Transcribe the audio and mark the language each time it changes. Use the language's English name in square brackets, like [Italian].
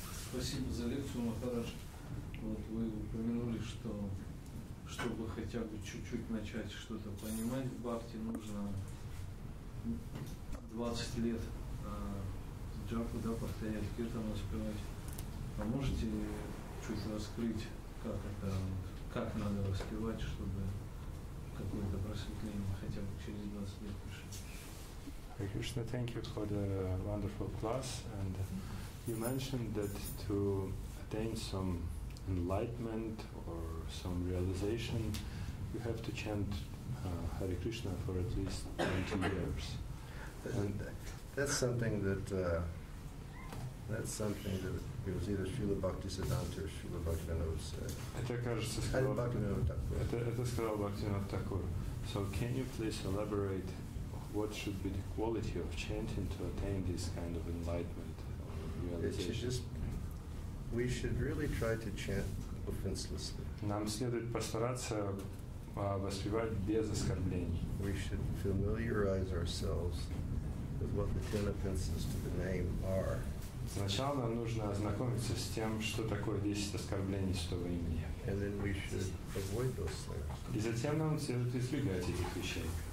[Russian] Спасибо за лекцию, Махарадж. Вот вы упомянули, что чтобы хотя бы чуть-чуть начать что-то понимать в бхакти, нужно 20 лет джапу, да, повторять, киртану успевать. А можете чуть раскрыть, как это, как надо успевать, чтобы какое-то просветление хотя бы через 20 лет пришло? [English] Hare Krishna, thank you for the wonderful class. And you mentioned that to attain some enlightenment or some realization, you have to chant Hare Krishna for at least 20 years. And that's something that it was either Srila Bhaktisiddhanta or Srila Bhaktivinoda said. Bhaktivinoda Thakur. So can you please elaborate? What should be the quality of chanting to attain this kind of enlightenment? We should really try to chant offenselessly. [Russian] Нам следует постараться воспевать без оскорблений. [English] We should familiarize ourselves with what the 10 offenses to the name are. [Russian] Сначала нам нужно ознакомиться с тем, что такое 10 оскорблений святого имени. [English] And then we should avoid those things. [Russian] И затем нам следует избегать этих вещей.